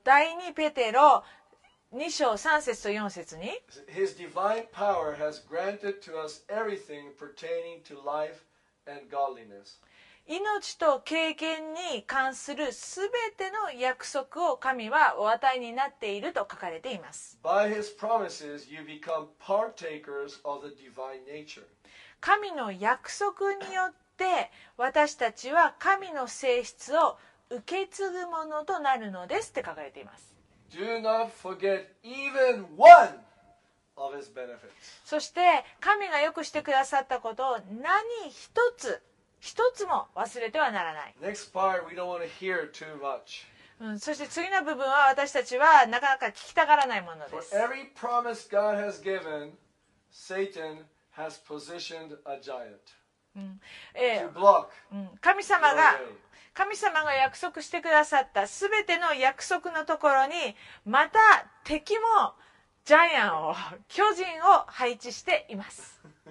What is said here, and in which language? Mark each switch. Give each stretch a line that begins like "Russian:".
Japanese: 第2ペテロ2章3節と4節に
English: His divine power has granted to us everything pertaining to life and godliness.
Japanese: 命と経験に関するすべての約束を神はお与えになっていると書かれています。
English: By his promises you become partakers of the divine nature.
Japanese: 神の約束によって私たちは神の性質を受け継ぐものとなるのですって書かれています。
English: Do not forget even one of his benefits.
Japanese: そして神がよくしてくださったことを何一つ一つも忘れてはならない。
English: Next part, we don't want to hear too much.
Japanese: そして次の部分は私たちはなかなか聞きたがらないものです。
English: For every promise God has given, Satan has positioned a giant to block.
Japanese: 神様が神様が約束してくださった全ての約束のところにまた敵もジャイアンを巨人を配置しています。